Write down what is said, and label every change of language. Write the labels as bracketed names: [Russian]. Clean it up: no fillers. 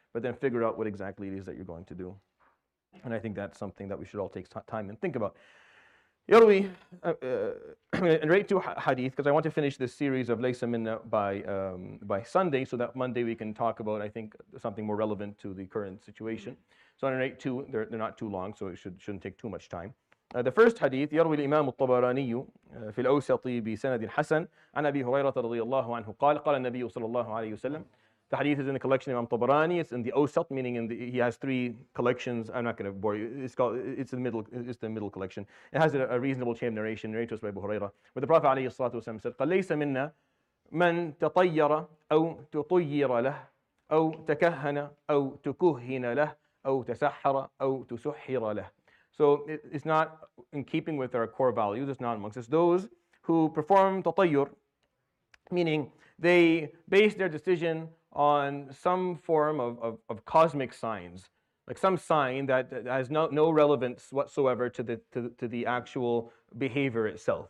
[English] But then figure out what exactly it is that you're going to do. And I think that's something that we should all take time and think about. Yarwi, and right to hadith, because I want to finish this series of Laysa Minna by Sunday, so that Monday we can talk about, I think, something more relevant to the current situation. So I'm right to, they're not too long, so it shouldn't take too much time. The first hadith, [Arabic] يروي الإمام الطبراني في الأوسط بسند حسن عن أبي هريرة رضي الله عنه قال قال النبي صلى الله عليه وسلم. [English] The hadith is in the collection of Imam Tabarani. It's in the Awsat, meaning he has three collections. I'm not going to bore you. It's the middle collection. It has a reasonable chain of narration, narrated to us by Abu Huraira. But the Prophet عليه الصلاة والسلام said, [Arabic] قَلَيْسَ مِنَّا مَنْ تَطَيَّرَ أَوْ تُطَيِّرَ لَهُ أَوْ تَكَهَّنَ أَوْ تُكُهِّنَ لَهُ أَوْ تَسَحَّرَ أَوْ تُسُحِّرَ لَهُ. [English] So it's not in keeping with our core values. It's not amongst us. Those who perform تطير, meaning they base their decision on some form of cosmic signs, like some sign that has no relevance whatsoever to the actual behavior itself.